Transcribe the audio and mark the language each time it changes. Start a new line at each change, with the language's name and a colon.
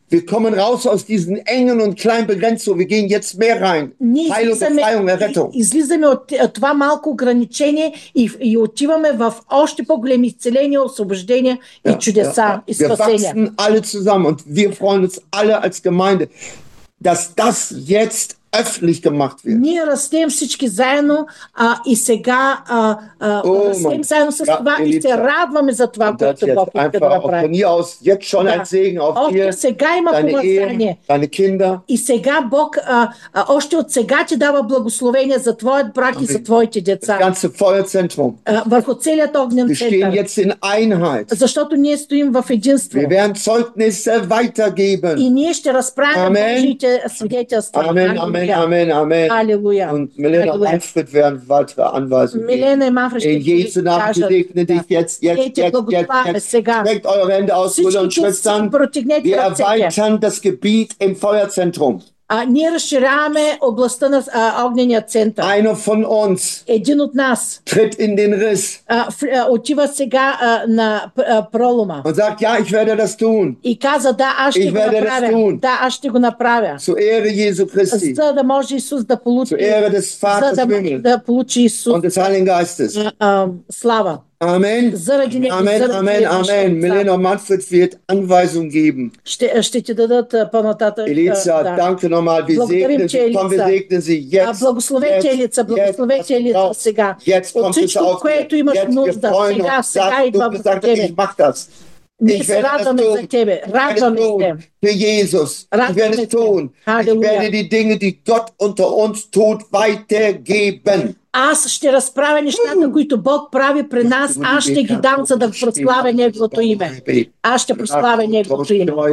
German: Wir kommen raus aus diesen engen und kleinen Begrenzungen. Wir gehen jetzt mehr rein. Heilung, Befreiung, Errettung.
Bulgarian: Излизаме от това малко ограничение и отиваме в още по-големи изцеления, освобождения и чудеса и спасения.
German: Wir wachsen alle zusammen und wir freuen uns alle als Gemeinde, dass das jetzt öffentlich gemacht wird.
Bulgarian: Ние растем всички заедно и сега растем заедно с това и се радваме за това, което Бог е да прави.
German: Von hier aus jetzt schon ein Segen auf dir, deine Kinder.
Bulgarian: И сега Бог още от сега ти дава благословение за твоят брак и за твоите деца.
German: Das ganze Feuerzentrum.
Bulgarian: Върху целият огнен център.
German: Wir stehen jetzt in Einheit.
Bulgarian: Защото ние стоим в единство.
German: Wir werden Zeugnisse weitergeben.
Bulgarian: И ние ще разправим Божиите свидетелства. Amen. Amen, amen. Halleluja.
German: Und Milena und Manfred werden weitere Anweisungen geben. In Jesu Namen segne dich jetzt. Streckt eure Hände aus, Brüder und Schwestern. Wir erweitern das Gebiet im Feuerzentrum.
Bulgarian: Ние разширяваме областта на огнения център.
German: Einer von uns.
Bulgarian: Един от нас.
German: Tritt in den Riss.
Bulgarian: Отива сега на пролома.
German: Und sagt, ja, ich werde das tun.
Bulgarian: И каза, да, аз ще
German: ich
Bulgarian: го
German: werde
Bulgarian: направя.
German: Das tun.
Bulgarian: Да, аз ще го направя.
German: Zu Ehre Jesu Christi.
Bulgarian: За да може Исус да получи.
German: Zu Ehre des Vaters Himmel.
Bulgarian: Да получи Исус.
German: Und des Heiligen Geistes.
Bulgarian: Слава. Amen. Заради него. Amen, amen, amen.
German: Milena Manfred wird Anweisung geben.
Bulgarian: Ще ти дадат по-нататък.
German: Елица, danke nochmal. Wir segnen Sie. Komm, wir segnen Sie. Jetzt.
Bulgarian: Благословете, Елица. Благословете, Елица, сега.
German: Jetzt kommt es auf.
Bulgarian: Всичко, което имаш нужда, сега идва в тебе.
German: Ich mach das. Ich werde es tun. Ich werde es tun für Jesus. Ich werde es tun. Ich werde die Dinge, die Gott unter uns tut, weitergeben.
Bulgarian: Аз ще разправя нещата, които Бог прави при нас. Аз ще ги дам, за да прославя Неговото име. Аз ще прославя Неговото име.